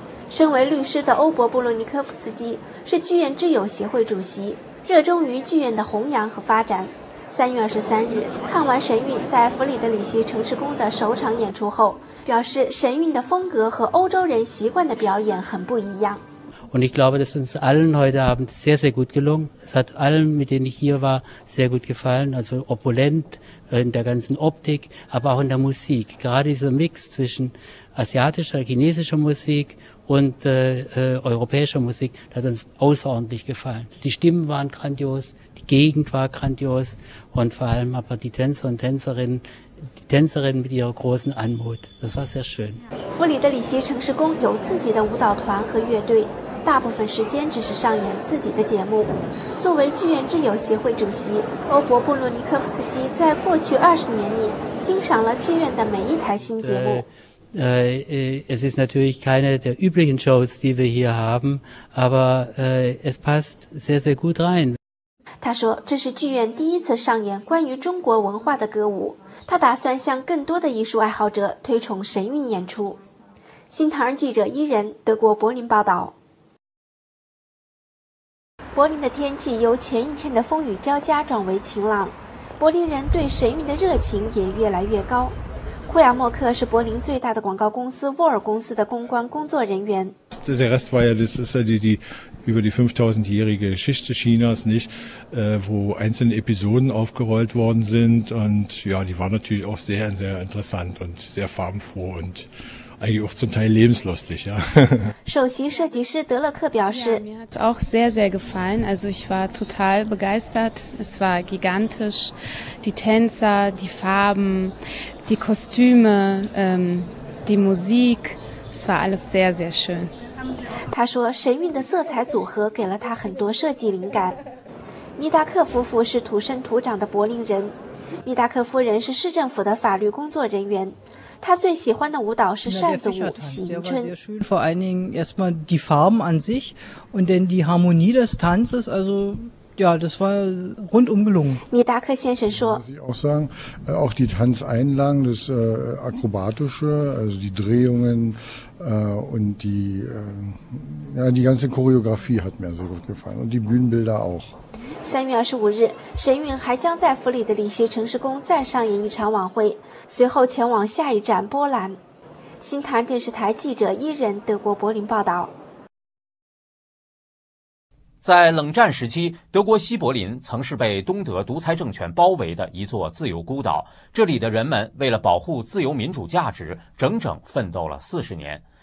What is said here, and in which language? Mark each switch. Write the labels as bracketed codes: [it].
[zh] 身为律师的欧伯布洛尼科夫斯基是剧院之友协会主席，热衷于剧院的弘扬和发展。 3月23日，看完神韵在弗里德里希城市宫的首场演出后，表示神韵的风格和欧洲人习惯的表演很不一样。 [de] Und ich glaube, dass uns allen heute Abend sehr, sehr gut gelungen. Es hat allen, mit denen ich hier war, sehr gut gefallen. Also opulent in der ganzen Optik, aber auch in der Musik. Gerade dieser Mix zwischen asiatischer, chinesischer Musik und europäischer Musik, das hat uns außerordentlich gefallen. Die Stimmen waren grandios. Gegend war grandios und vor allem aber die Tänzer und Tänzerinnen, die Tänzerinnen mit ihrer großen Anmut. Das war sehr schön. [zh] 弗里德里希城市宫有自己的舞蹈团和乐队，大部分时间只是上演自己的节目。作为剧院之友协会主席，欧伯布洛尼科夫斯基在过去20年里欣赏了剧院的每一台新节目。 [de] Es ist natürlich keine der üblichen Shows, die wir hier haben, aber es passt sehr, sehr gut rein. [zh] 他说，这是剧院第一次上演关于中国文化的歌舞，他打算向更多的艺术爱好者推崇神韵演出。新唐人记者伊人，德国柏林报道。柏林的天气由前一天的风雨交加转为晴朗，柏林人对神韵的热情也越来越高。库亚默克是柏林最大的广告公司沃尔公司的公关工作人员。 [de] Über die 5000-jährige Geschichte Chinas, nicht, wo einzelne Episoden aufgerollt worden sind. Und ja, die waren natürlich auch sehr, sehr interessant und sehr farbenfroh und eigentlich auch zum Teil lebenslustig. Ja. [zh] 首席设计师德勒克表示 [de] ja, mir hat es auch sehr, sehr gefallen. Also ich war total begeistert. Es war gigantisch. Die Tänzer, die Farben, die Kostüme, die Musik, es war alles sehr, sehr schön. [zh] 他说，神韵的色彩组合给了他很多设计灵感。尼达克夫妇是土生土长的柏林人，尼达克夫人是市政府的法律工作人员，她最喜欢的舞蹈是扇子舞喜迎春。 [de] Vor allen Dingen erstmal die Farben an sich und dann die Harmonie des Tanzes, also ja, das war rundum gelungen. [zh] 尼达克先生说 [de] ，Muss ich auch sagen, auch die Tanzeinlagen, das akrobatische, also die Drehungen. Und die ganze Choreografie hat mir sehr gut gefallen und die Bühnenbilder auch. [zh] 3月25日，神韵还将在弗里德里希城市宫再上演一场晚会，随后前往下一站波兰。新唐电视台记者伊人，德国柏林报道。在冷战时期，德国西柏林曾是被东德独裁政权包围的一座自由孤岛，这里的人们为了保护自由民主价值整整奋斗了40年。